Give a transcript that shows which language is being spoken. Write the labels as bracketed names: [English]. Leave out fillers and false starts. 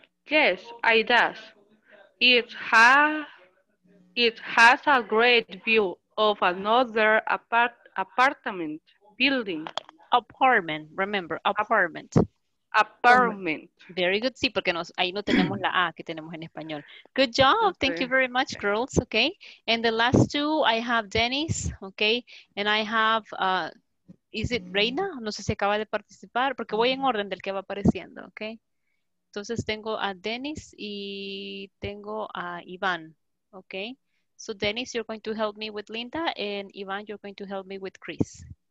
[English] Yes, it does. It has a great view of another apartment building. Apartment, remember, apartment. Apartment. Very good, [Spanish] sí, porque nos, ahí no tenemos la A que tenemos en español. [English] Good job, okay. Thank you very much, girls, okay? And the last two, I have Dennis, okay? And I have, is it Reina? [Spanish] No sé si acaba de participar, porque voy en orden del que va apareciendo, okay? Entonces tengo a Dennis y tengo a Iván, okay? [English] So Dennis, you're going to help me with Linda, and Iván, you're going to help me with Chris.